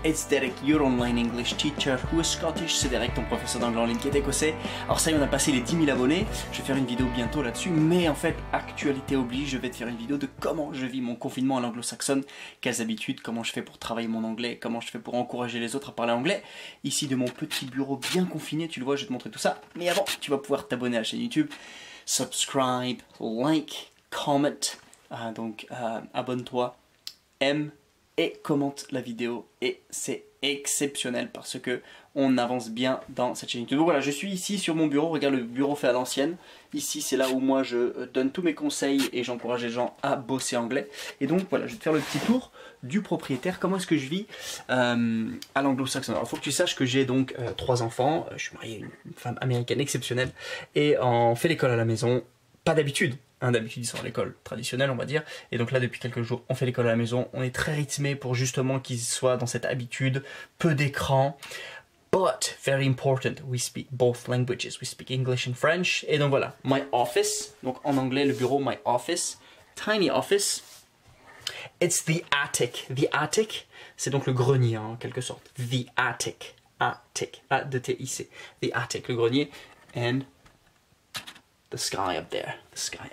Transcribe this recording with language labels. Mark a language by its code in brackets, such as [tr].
[en] It's Derek, your online English teacher who is Scottish. [fr] C'est Derek, ton professeur d'anglais en ligne qui est écossais. Alors ça y est, on a passé les 10 000 abonnés. Je vais faire une vidéo bientôt là-dessus. Mais en fait, actualité oblige, je vais te faire une vidéo de comment je vis mon confinement à l'anglo-saxonne. Quelles habitudes, comment je fais pour travailler mon anglais, comment je fais pour encourager les autres à parler anglais. Ici, de mon petit bureau bien confiné, tu le vois, je vais te montrer tout ça. Mais avant, tu vas pouvoir t'abonner à la chaîne YouTube. [en] Subscribe, like, comment. [fr] Abonne-toi. Et commente la vidéo, et c'est exceptionnel parce que on avance bien dans cette chaîne YouTube. Donc voilà, je suis ici sur mon bureau, regarde le bureau fait à l'ancienne. Ici, c'est là où moi je donne tous mes conseils et j'encourage les gens à bosser anglais. Et donc voilà, je vais te faire le petit tour du propriétaire. Comment est-ce que je vis à l'anglo-saxonne? Alors, il faut que tu saches que j'ai donc 3 enfants. Je suis marié à une femme américaine exceptionnelle et on fait l'école à la maison. Pas d'habitude. D'habitude, ils sont à l'école traditionnelle, on va dire. Et donc là, depuis quelques jours, on fait l'école à la maison. On est très rythmé pour justement qu'ils soient dans cette habitude. Peu d'écran. [en] But, very important, we speak both languages. We speak English and French. [fr] Et donc voilà, [en] my office. [fr] Donc en anglais, le bureau, [en] my office. Tiny office. It's the attic. The attic, [fr] c'est donc le grenier, en quelque sorte. [en] The attic. Attic. A-T-I-C. The attic, [fr] le grenier. [en] And... the sky up there, the sky.